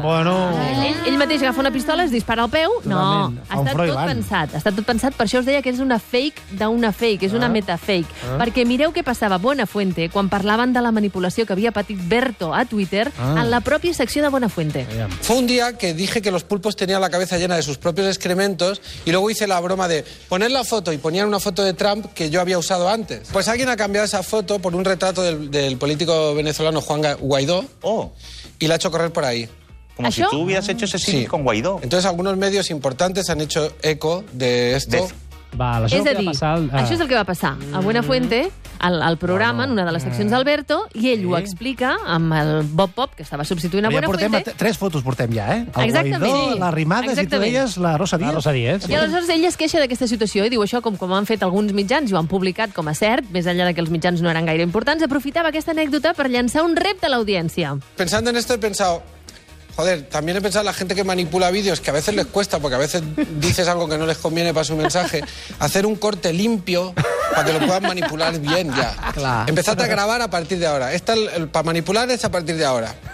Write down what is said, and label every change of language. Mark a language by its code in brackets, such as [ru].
[ca] Bueno. Ell mateix agafa una pistola, es dispara al peu. Totalment. No, ha estat tot pensat. Per això us deia que és una fake d'una fake, és una metafake. Perquè mireu què passava a Buenafuente quan parlaven de la manipulació que havia patit Berto a Twitter en la pròpia secció de Buenafuente. [es] Fue un día que dije que los pulpos tenían la cabeza llena de sus propios excrementos y luego hice la broma de poner la foto y ponían una foto de Trump que yo había usado antes. Pues alguien ha cambiado esa foto por un retrato del político venezolano Juan Guaidó y la ha hecho correr por ahí. Como si tú hubieras hecho ese símil con Guaidó. Entonces algunos medios importantes han hecho eco de esto. [ca] Això és el que va passar. A Buenafuente, al programa, en una de les seccions d'Alberto, i ell ho explica amb el Bob Pop, que estava substituint a Buenafuente. Ja tres fotos portem ja, eh? Guaidó, l'Arrimadas, i tu deies la Rosa Díez. I aleshores ell es queixa d'aquesta situació i diu això com han fet alguns mitjans, i ho han publicat com a cert, més enllà de que els mitjans no eren gaire importants, aprofitava aquesta anècdota per llançar un repte a l'audiència. [es] Pensando en esto he pensado... Joder, también he pensado en la gente que manipula vídeos, que a veces les cuesta, porque a veces dices algo que no les conviene para su mensaje, hacer un corte limpio para que lo puedan manipular bien ya. Claro. Empezad a grabar a partir de ahora. Para manipular es a partir de ahora.